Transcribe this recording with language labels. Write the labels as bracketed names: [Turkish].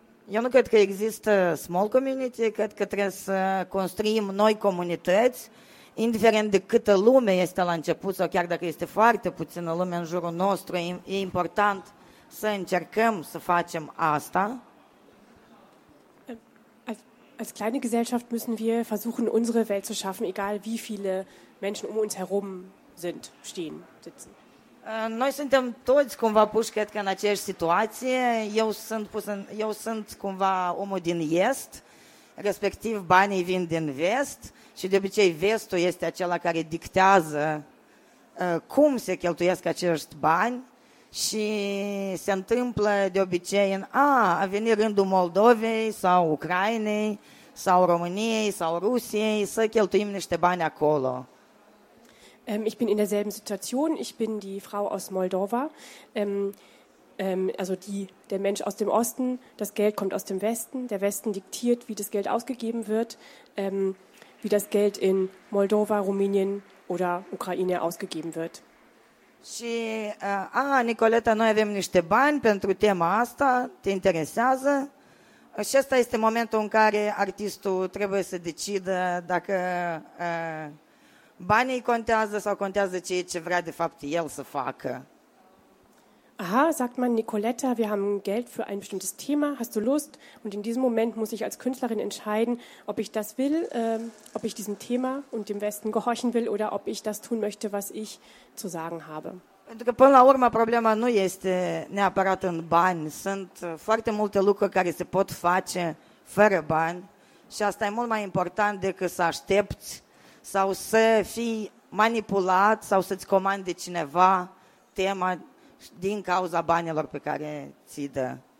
[Romanian] Eu nu cred că există [English] small community, [Romanian] cred că trebuie să construim noi comunități, indiferent de câtă lume este la început sau chiar dacă este foarte puțină lume în jurul nostru, e important să încercăm să facem asta. [German] Als kleine Gesellschaft müssen wir versuchen, unsere Welt zu schaffen, egal wie viele Menschen um uns herum sind, stehen, sitzen. [Romanian] Noi suntem toți cumva puși, cred că, în aceeași situație. Eu sunt cumva omul din Est, respectiv banii vin din Vest și de obicei Vestul este acela care dictează cum se cheltuiesc acești bani și se întâmplă de obicei a venit rândul Moldovei sau Ucrainei sau României sau Rusiei să cheltuim niște bani acolo. [German] Ich bin in derselben Situation. Ich bin die Frau aus Moldova, also der Mensch aus dem Osten. Das Geld kommt aus dem Westen. Der Westen diktiert, wie das Geld ausgegeben wird, wie das Geld in Moldova, Rumänien oder Ukraine ausgegeben wird. [Romanian] Și, Nicoleta, noi avem niște bani pentru tema asta, te interesează? Și ăsta este momentul în care artistul trebuie să decidă dacă... banii contează sau contează ce vrea de fapt el să facă. [German] Aha, sagt man Nicoletta, wir haben Geld für ein bestimmtes Thema, hast du Lust? Und in diesem Moment muss ich als Künstlerin entscheiden, ob ich das will, ob ich diesem Thema und dem Westen gehorchen will oder ob ich das tun möchte, was ich zu sagen habe. [Romanian] Pentru că până la urmă problema nu este neapărat în bani, sunt foarte multe lucruri care se pot face fără bani și asta e mult mai important decât să aștepți sau să fii manipulat sau să-ți comande cineva tema din cauza banilor pe care ți-i dă.